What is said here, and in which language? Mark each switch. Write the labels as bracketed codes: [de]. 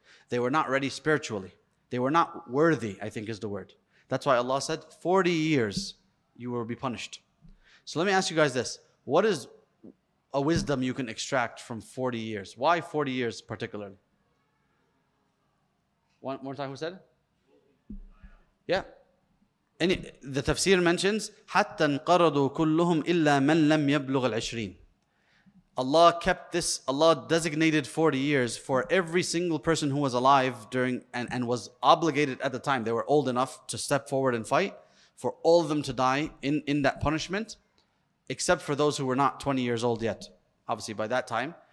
[en] They were not ready spiritually. They were not worthy, I think is the word. That's why Allah said, 40 years you will be punished. So let me ask you guys this. What is a wisdom you can extract from 40 years? Why 40 years particularly? One more time, who said it? Yeah. The tafsir mentions, [ar] حَتَّى انْقَرَضُوا كُلُّهُمْ إِلَّا مَنْ لَمْ يَبْلُغَ الْعِشْرِينَ. [en] Allah kept this, Allah designated 40 years for every single person who was alive during and was obligated at the time. They were old enough to step forward and fight for all of them to die in that punishment, except for those who were not 20 years old yet. Obviously, by that time.